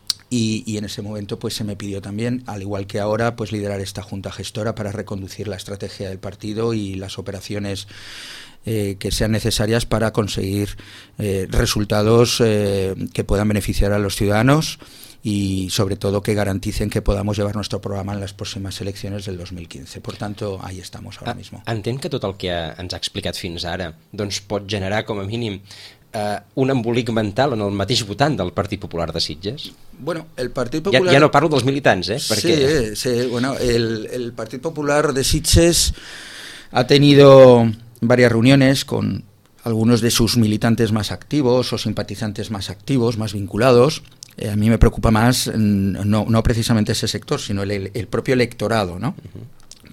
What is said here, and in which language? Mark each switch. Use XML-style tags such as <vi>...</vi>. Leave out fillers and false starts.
<es>Y en ese momento pues se me pidió también, al igual que ahora, pues liderar esta junta gestora para reconducir la estrategia del partido y las operaciones que sean necesarias para conseguir resultados que puedan beneficiar a los ciudadanos y sobre todo que garanticen que podamos llevar nuestro programa en las próximas elecciones del 2015. Por tanto, ahí estamos ahora mismo.</es> <ca>Entenc que tot el que ens ha explicat fins ara doncs pot generar com a mínim un embolic mental en el mateix votant del Partit Popular de Sitges? Bueno, el Partit Popular... Ja no parlo dels militants, perquè...</ca> <es>Sí, bueno, el Partit Popular de Sitges ha tenido varias reuniones con algunos de sus militantes más activos o simpatizantes más activos, más vinculados. A mí me preocupa más, no precisamente ese sector, sino el propio electorado, ¿no? Uh-huh.</es>